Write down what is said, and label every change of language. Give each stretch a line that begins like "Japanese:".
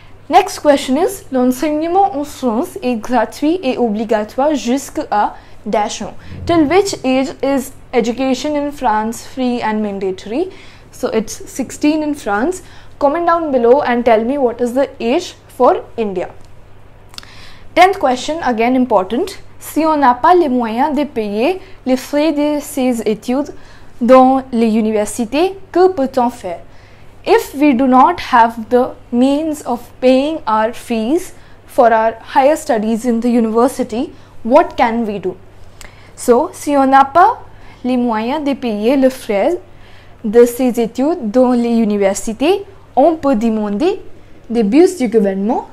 English: Next question is,
French: l'enseignement en France est gratuit et obligatoire jusqu'à dash on.
English: Till which age is education in France free and mandatory? So it's 16 in France. Comment down below and tell me what is the age for India. 10th question, again important.
French: Si on n'a pas les moyens de payer les frais de ses études dans les universités, que peut-on faire?
English: If we do not have the means of paying our fees for our higher studies in the university, what can we do?
French: So, si on n'a pas les moyens de payer les frais de ses études dans les universités, on peut demander des bourses du gouvernement.